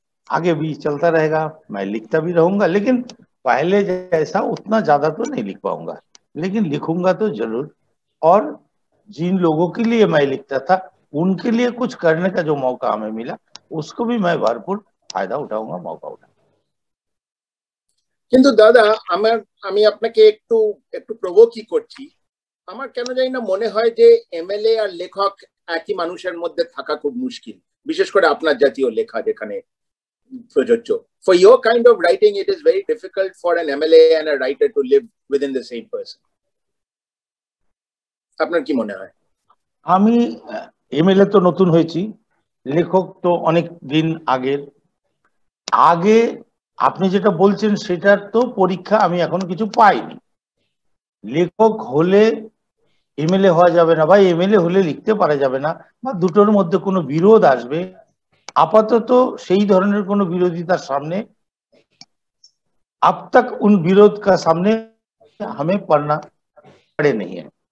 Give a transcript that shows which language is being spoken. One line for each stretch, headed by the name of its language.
Hindi: आगे भी चलता रहेगा, मैं लिखता भी रहूंगा, लेकिन पहले जैसा उतना ज्यादा तो नहीं लिख पाऊंगा, लेकिन लिखूंगा तो जरूर, और जिन लोगों के लिए मैं लिखता था उनके लिए कुछ करने का जो मौका हमें मिला उसको भी मैं भरपूर फायदा उठाऊंगा, मौका उठाऊंगा। किंतु दादा
Bangla: আমি আপনাকে একটু একটু প্রভোকি করছি, আমার কেন জানি না মনে হয় যে এমএলএ আর লেখক একই মানুষের মধ্যে থাকা খুব মুশকিল, বিশেষ করে আপনার জাতীয় লেখা যেখানে প্রযোজ্য।
English: For your kind of writing, it is very difficult for an MLA and a writer to live within the same person.
Bangla: আপনার কি মনে হয়? আমি এমএলএ তো নতুন হয়েছি, লেখক তো অনেক দিন আগের। আগে আপনি যেটা বলছেন সেটার তো পরীক্ষা আমি এখন কিছু পাইনি। লেখক হলে এমএলএ হওয়া যাবে না, বা এমএলএ হলে লিখতে পারা যাবে না, বা দুটোর মধ্যে কোনো বিরোধ আসবে, আপাতত সেই ধরনের কোনো বিরোধিতার সামনে
Hindi: আব তক উন বিরোধ কা সামনে হামে পড়না পড়ে নেই হ্যায়।